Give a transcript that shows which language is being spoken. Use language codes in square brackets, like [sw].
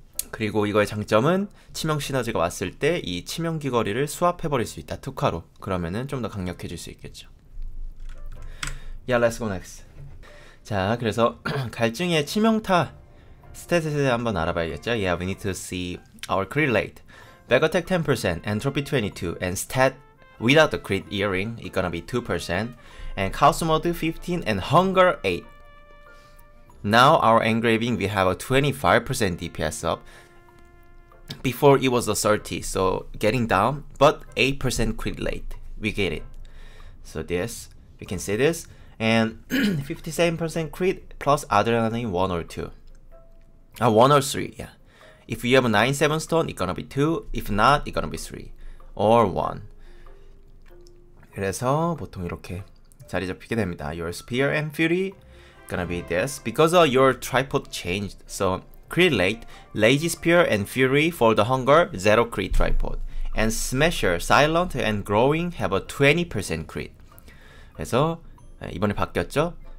[ko] 그리고 이거의 장점은 치명 시너지가 왔을 때 이 치명 귀걸이를 수합해버릴 수 있다. 특화로 그러면은 좀 더 강력해질 수 있겠죠. [en] Yeah, let's go next. [ko] 자, 그래서 갈증의 치명타 스탯에 한번 알아봐야겠죠? [en] Yeah, we need to see our crit rate. Back attack 10%, entropy 22%, and stat without the crit earring, it's gonna be 2%, and chaos mode 15%, and hunger 8%. Now, our engraving, we have a 25% DPS up. Before, it was a 30%, so getting down, but 8% crit rate. We get it. So this, you can see this, and 57% crit plus adrenaline 1 or 2. 아, 1 or 3, yeah. If you have a 9-7 stone, it's gonna be 2. If not, it's gonna be 3. Or 1. [ko] 그래서 보통 이렇게 자리 잡히게 됩니다. [en] Your spear and fury gonna be this. Because of your tripod changed, so crit late, lazy spear and fury for the hunger, zero crit tripod. And smasher, silent and growing have a 20% crit. [ko] 그래서 이번에 바뀌었죠?